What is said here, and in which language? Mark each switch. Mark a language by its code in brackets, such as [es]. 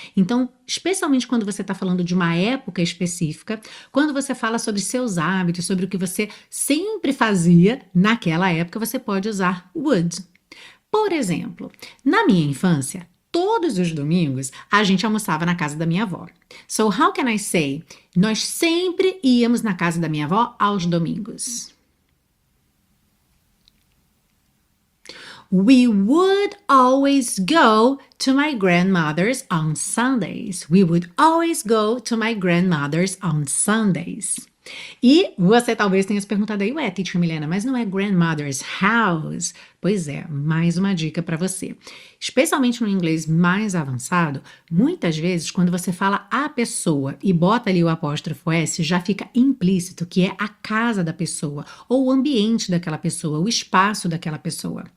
[pt] Então, especialmente quando você está falando de uma época específica, quando você fala sobre seus hábitos, sobre o que você sempre fazia naquela época, você pode usar would. Por exemplo, na minha infância, todos os domingos a gente almoçava na casa da minha avó. [en] So, how can I say? [pt] Nós sempre íamos na casa da minha avó aos domingos. [en] We would always go to my grandmother's on Sundays. We would always go to my grandmother's on Sundays. [pt] E você talvez tenha se perguntado aí, ué, teacher Milena, mas não é grandmother's house? Pois é, mais uma dica para você. Especialmente no inglês mais avançado, muitas vezes quando você fala a pessoa e bota ali o apóstrofo S, já fica implícito que é a casa da pessoa, ou o ambiente daquela pessoa, o espaço daquela pessoa.